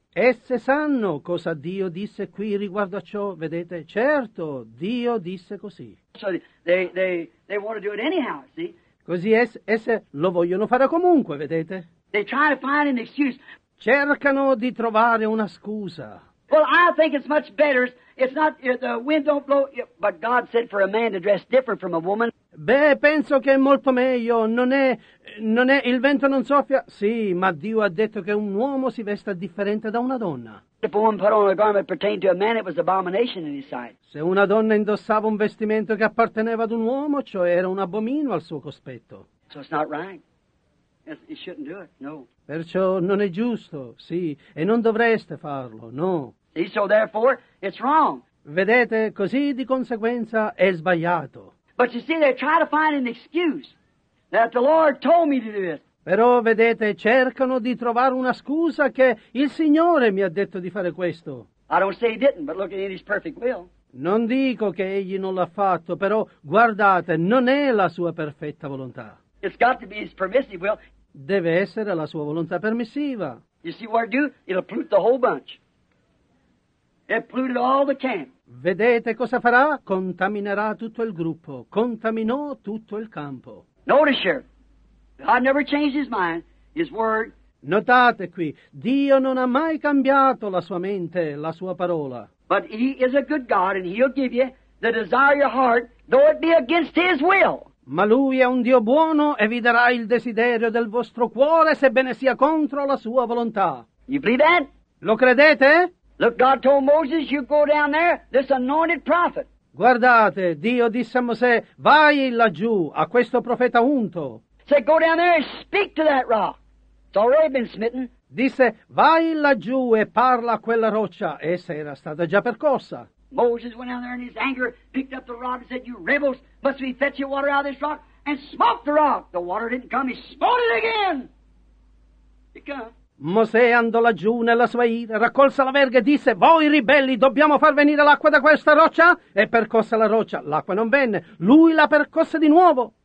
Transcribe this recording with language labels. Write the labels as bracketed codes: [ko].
[it] Esse sanno cosa Dio disse qui riguardo a ciò, vedete? Certo, Dio disse così. [en] So they want to do it anyhow, see? [it] Così esse lo vogliono fare comunque, vedete? [en] They try to find an excuse. [it] Cercano di trovare una scusa. [en] Well, I think it's much better. It's not the wind don't blow, but God said for a man to dress different from a woman. [it] Beh, penso che è molto meglio. Non è il vento non soffia. Sì, ma Dio ha detto che un uomo si vesta differente da una donna. [en] If a woman put on a garment pertaining to a man, it was abomination in his sight. [it] Se una donna indossava un vestimento che apparteneva ad un uomo, ciò era un abominio al suo cospetto. [en] So it's not right. It shouldn't do it. No. [it] Perciò non è giusto, sì, e non dovreste farlo, no. [en] See, so therefore, it's wrong. [it] Vedete, così di conseguenza è sbagliato. [en] But you see, they try to find an excuse that the Lord told me to do this. [it] Però, vedete, cercano di trovare una scusa che il Signore mi ha detto di fare questo. [en] I don't say he didn't, but look at his perfect will. [it] Non dico che egli non l'ha fatto, però, guardate, non è la sua perfetta volontà. [en] It's got to be his permissive will. [it] Deve essere la sua volontà permissiva. [en] You see what it do? It'll pollute the whole bunch. It polluted all the camp. [it] Vedete cosa farà? Contaminerà tutto il gruppo. Contaminò tutto il campo. [en] Notice here. God never changed his mind, his word. [it] Notate qui. Dio non ha mai cambiato la sua mente, la sua parola. [en] But he is a good God and he'll give you the desire of your heart, though it be against his will. [it] Ma lui è un Dio buono e vi darà il desiderio del vostro cuore sebbene sia contro la sua volontà. [en] You believe that? [it] Lo credete? [en] Look, God told Moses, you go down there, this anointed prophet. [it] Guardate, Dio disse a Mosè, vai laggiù a questo profeta unto. [en] Say, go down there and speak to that rock. It's already been smitten. [it] Disse, vai laggiù e parla a quella roccia. Essa era stata già percossa. [en] Moses went down there in his anger, picked up the rock and said, you rebels, must we fetch your water out of this rock? And smote the rock. The water didn't come, he smote it again. It came. [it] Mosè andò laggiù nella sua ira, raccolse la verga e disse, voi ribelli, dobbiamo far venire l'acqua da questa roccia? E percosse la roccia. L'acqua non venne. Lui la percosse di nuovo.